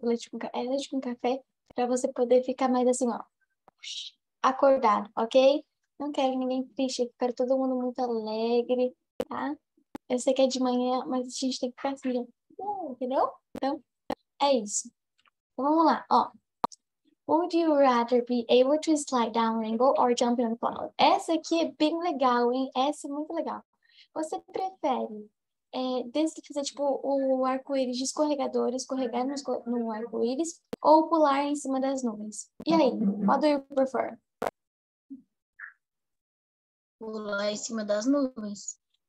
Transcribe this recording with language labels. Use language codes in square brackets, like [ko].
[pt] leite com café para você poder ficar mais assim, ó, acordado, ok? Não quero ninguém triste, quero todo mundo muito alegre, tá? Eu sei que é de manhã, mas a gente tem que ficar assim, entendeu? Então, é isso. Vamos lá, ó. [en] Would you rather be able to slide down rainbow or jump in a cloud? [pt] Essa aqui é bem legal, hein? Essa é muito legal. Você prefere fazer tipo o arco-íris de escorregador, escorregar no arco-íris ou pular em cima das nuvens? E aí, [en] what do you prefer? [pt] Pular em cima das nuvens.